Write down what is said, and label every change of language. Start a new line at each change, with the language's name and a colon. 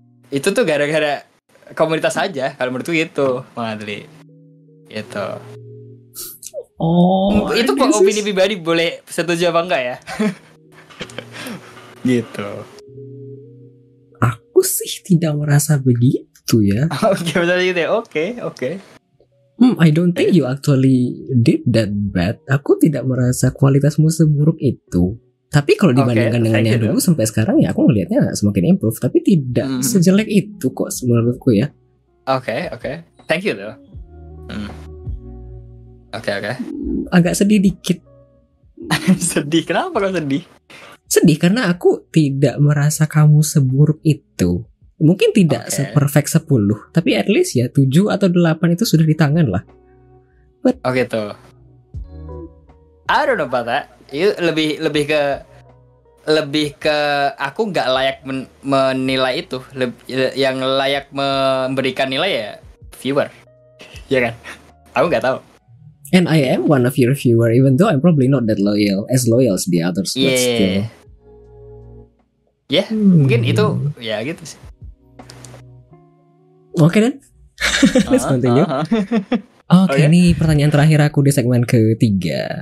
Indonesian: Itu tuh gara-gara komunitas aja kalau menurutku gitu, Bang Adli. Gitu. Oh, itu opini pribadi, boleh setuju apa enggak ya? Gitu. Aku sih tidak merasa begitu ya. Oke.
English: I don't think you actually did that bad.
Indonesian: Aku tidak merasa kualitasmu seburuk itu. Tapi kalau dibandingkan dengan yang dulu sampai sekarang ya aku melihatnya semakin improve. Tapi tidak sejelek itu kok menurutku ya.
English: Oke. Thank you though.
Indonesian: Oke. Agak sedih dikit. Sedih? Kenapa kok sedih? Sedih karena aku tidak merasa kamu seburuk itu. Mungkin tidak seperfect 10, tapi at least ya 7 atau 8 itu sudah di tangan lah.
English: But...
Indonesian: Oke tuh.
English: I don't know about that.
Indonesian: You lebih ke aku enggak layak menilai itu. Yang layak memberikan nilai ya viewer. Iya kan? Aku enggak tahu.
English: And I am one of your viewer, even though I'm probably not that loyal, as loyal as the others, but still.
Indonesian: Yeah, mungkin itu, ya gitu sih.
English: Okay then, let's continue. Okay.
Indonesian: Ini pertanyaan terakhir aku di segmen ketiga.